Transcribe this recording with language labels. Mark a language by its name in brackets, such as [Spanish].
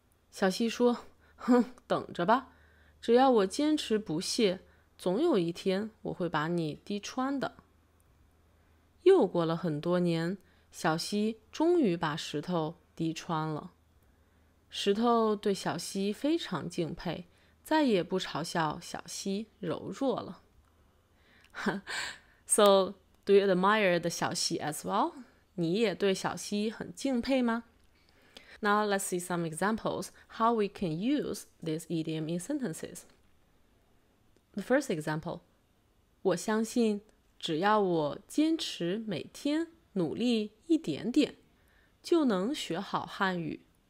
[Chinese] 小溪说，哼，等着吧，只要我坚持不懈，总有一天我会把你滴穿的。又过了很多年，小溪终于把石头滴穿了。石头对小溪非常敬佩，再也不嘲笑小溪柔弱了。 [English] So, do you admire the 小溪 as well? [Chinese] 你也对小溪很敬佩吗？ [English] Now let's see some examples how we can use this idiom in sentences. The first example, [Chinese] 我相信只要我坚持每天努力一点点就能学好汉语。